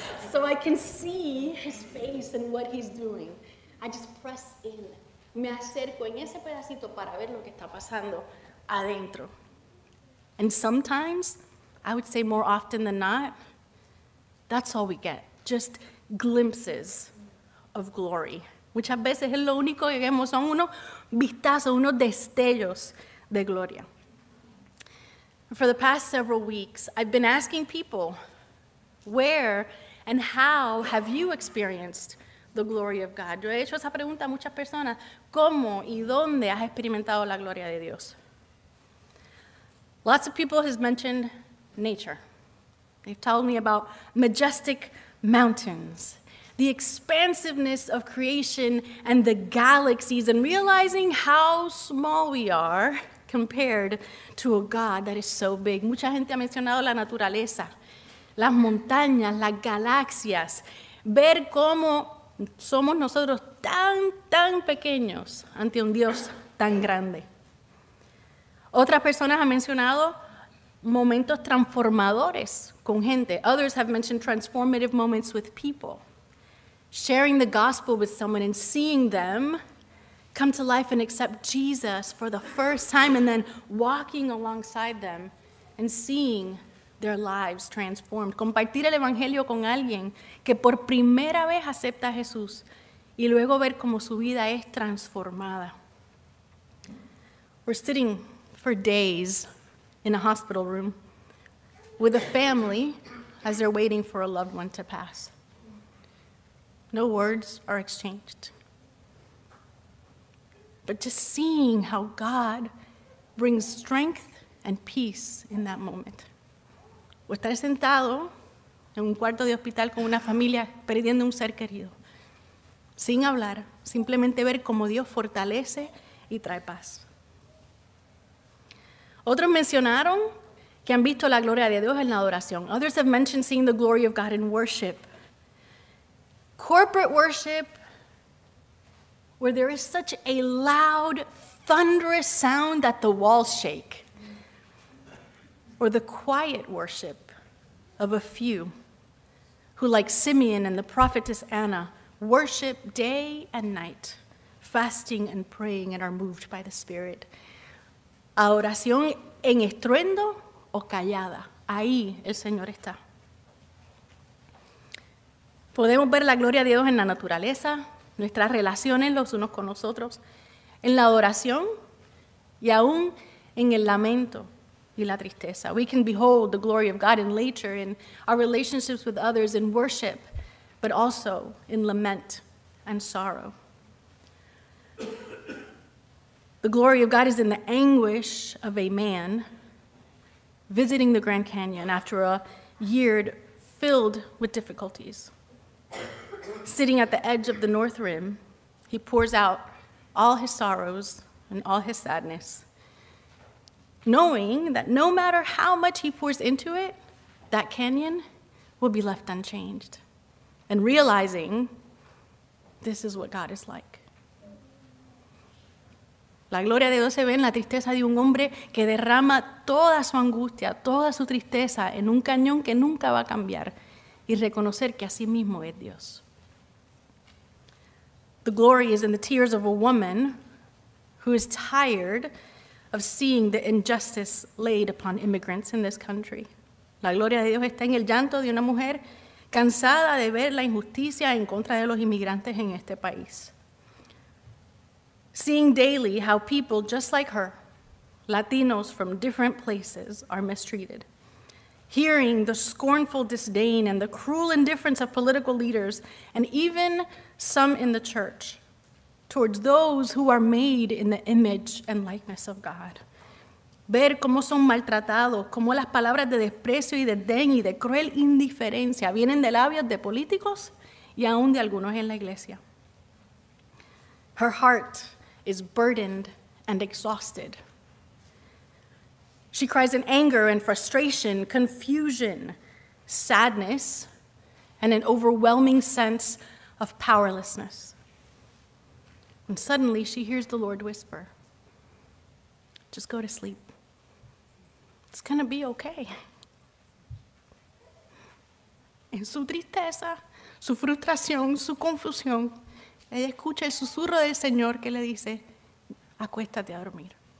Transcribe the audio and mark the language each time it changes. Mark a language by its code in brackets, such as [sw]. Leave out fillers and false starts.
[en] So I can see his face and what he's doing. I just press in. [es] Me acerco en ese pedacito para ver lo que está pasando adentro. [en] And sometimes, I would say more often than not, that's all we get, just glimpses of glory. [es] Muchas veces es lo único que vemos, son unos vistazos, unos destellos de gloria. [en] For the past several weeks, I've been asking people, where and how have you experienced the glory of God? [es] Yo he hecho esa pregunta a muchas personas. ¿Cómo y dónde has experimentado la gloria de Dios? [en] Lots of people have mentioned nature. They've told me about majestic mountains, the expansiveness of creation and the galaxies, and realizing how small we are compared to a God that is so big. [es] Mucha gente ha mencionado la naturaleza, las montañas, las galaxias, ver cómo somos nosotros tan pequeños ante un Dios tan grande. Otras personas han mencionado momentos transformadores con gente. [en] Others have mentioned transformative moments with people. Sharing the gospel with someone and seeing them come to life and accept Jesus for the first time, and then walking alongside them and seeing their lives transformed. [es] Compartir el evangelio con alguien que por primera vez acepta a Jesús y luego ver cómo su vida es transformada. [en] We're sitting for days in a hospital room with a family as they're waiting for a loved one to pass. No words are exchanged. But just seeing how God brings strength and peace in that moment. [es] O estar sentado en un cuarto de hospital con una familia perdiendo un ser querido. Sin hablar, simplemente ver cómo Dios fortalece y trae paz. Otros mencionaron que han visto la gloria de Dios en la adoración. [en] Others have mentioned seeing the glory of God in worship. Corporate worship, where there is such a loud, thunderous sound that the walls shake. Or the quiet worship of a few who, like Simeon and the prophetess Anna, worship day and night, fasting and praying, and are moved by the Spirit. [es] Adoración en estruendo o callada. Ahí el Señor está. Podemos ver la gloria de Dios en la naturaleza, nuestras relaciones los unos con los otros, en la adoración y aún en el lamento y la tristeza. [en] We can behold the glory of God in nature, in our relationships with others, in worship, but also in lament and sorrow. The glory of God is in the anguish of a man visiting the Grand Canyon after a year filled with difficulties. Sitting at the edge of the North Rim, he pours out all his sorrows and all his sadness, knowing that no matter how much he pours into it, that canyon will be left unchanged, and realizing this is what God is like. [es] La gloria de Dios se ve en la tristeza de un hombre que derrama toda su angustia, toda su tristeza en un cañón que nunca va a cambiar y reconocer que así mismo es Dios. [en] The glory is in the tears of a woman who is tired of seeing the injustice laid upon immigrants in this country. [es] La gloria de Dios está en el llanto de una mujer cansada de ver la injusticia en contra de los inmigrantes en este país. [en] Seeing daily how people just like her, Latinos from different places, are mistreated. Hearing the scornful disdain and the cruel indifference of political leaders and even some in the church towards those who are made in the image and likeness of God. [es] Ver cómo son maltratados, cómo las palabras de desprecio y desdén y de cruel indiferencia vienen de labios de políticos y aún de algunos en la iglesia. [en] Her heart is burdened and exhausted. She cries in anger and frustration, confusion, sadness, and an overwhelming sense of powerlessness. And suddenly she hears the Lord whisper, "Just go to sleep. It's gonna be okay." [es] En su tristeza, su frustración, su confusión, ella escucha el susurro del Señor que le dice, "Acuéstate a dormir.